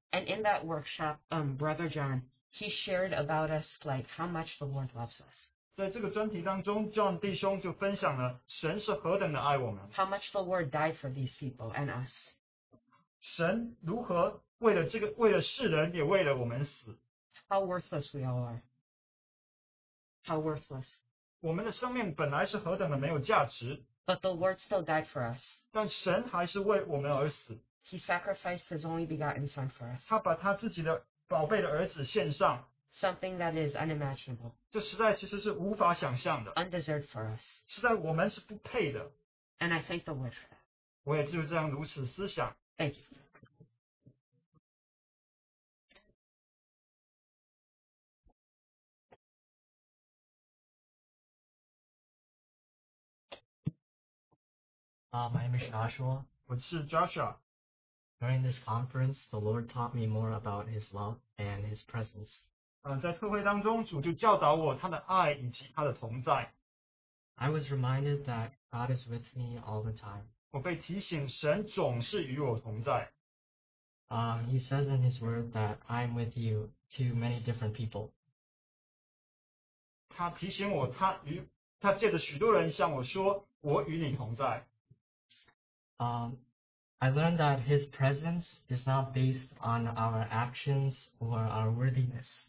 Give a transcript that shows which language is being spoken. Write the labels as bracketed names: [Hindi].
[English] And in that workshop, Brother John, he shared about us like how much the Lord loves us. [Chinese] 在这个专题当中, John弟兄就分享了神是何等的爱我们. [English] How much the Lord died for these people and us. [Chinese] 神如何为了这个为了世人也为了我们死. [English] How worthless we all are. How worthless. [Chinese] 我们的生命本来是何等的没有价值. [English] But the Lord still died for us. [Chinese] 但神还是为我们而死. [English] He sacrificed his only begotten son for us. [Chinese] 他把他自己的宝贝的儿子献上. [English] Something that is unimaginable. [Chinese] 这实在其实是无法想象的. [English] Undeserved for us. [Chinese] 实在我们是不配的. [English] And I thank the Lord for that. [Chinese] 我也就是这样如此思想. [English] Thank you. My name is Joshua. [Chinese] 我是Joshua. [English] During this conference, the Lord taught me more about His love and His presence. [Chinese] 在特会当中，主就教导我他的爱以及他的同在. [English] I was reminded that God is with me all the time. [Chinese] 我被提醒神总是与我同在. [English] He says in His word that I am with you to many different people. [Chinese] 他提醒我，他借着许多人向我说，我与你同在. [English] I learned that His presence is not based on our actions or our worthiness.